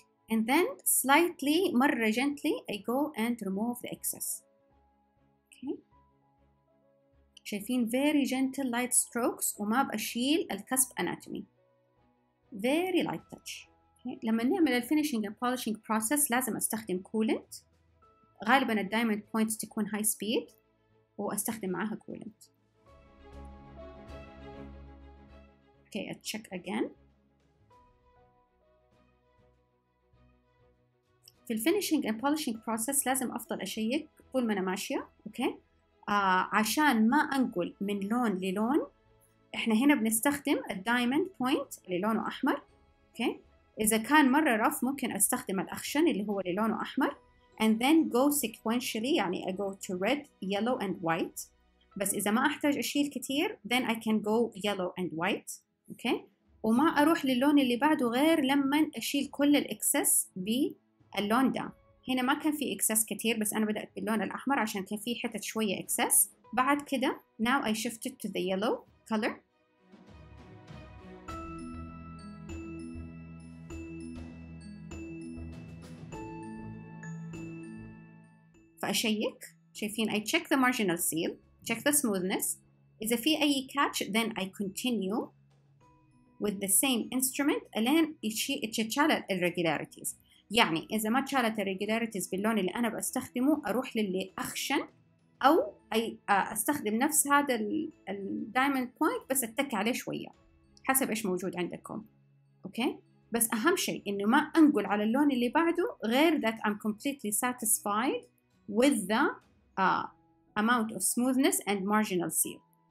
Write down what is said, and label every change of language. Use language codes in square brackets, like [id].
[en] And then slightly, [ar] مره [en] gently, I go and remove the excess. Okay. شايفين very gentle light strokes [ar] وما بأشيل الكسب [en] anatomy. Very light touch. Okay. [ar] لما نعمل الفينيشينج [en] and polishing process [ar] لازم أستخدم coolant. غالبا الدايموند بوينتس تكون [en] high speed [ar] وأستخدم معها coolant. [en] Okay, I check again. [ar] في الفينيشينج اند بولشينج بروسيس لازم افضل اشيك طول ما انا ماشيه, اوكي, عشان ما انقل من لون للون. احنا هنا بنستخدم الدايموند بوينت اللي لونه احمر, اوكي. اذا كان مره رف ممكن استخدم الاخشن اللي هو اللي لونه احمر, [en] and then go sequentially, [ar] يعني [en] I go to red, yellow and white. [ar] بس اذا ما احتاج اشيل كتير [en] then I can go yellow and white, [ar] اوكي, وما اروح للون اللي بعده غير لما اشيل كل الاكسس ب اللون ده. هنا ما كان في اكسس كتير بس انا بدأت باللون الاحمر عشان كان في حتة شوية اكسس. بعد كده [en] now I shifted to the yellow color. [ar] فأشيك, شايفين [en] I check the marginal seal, check the smoothness. [ar] إذا في أي [en] catch then I continue with the same instrument [ar] ألين يتشال [en] irregularities. [ar] يعني إذا ما تشالت الريجولاريتيز باللون اللي أنا بستخدمه أروح للي أخشن, أو أستخدم نفس هذا الدايموند بوينت بس أتك عليه شوية حسب إيش موجود عندكم. أوكي, بس أهم شيء إنه ما أنقل على اللون اللي بعده غير [en] that I'm completely satisfied with the amount of smoothness and marginal seal.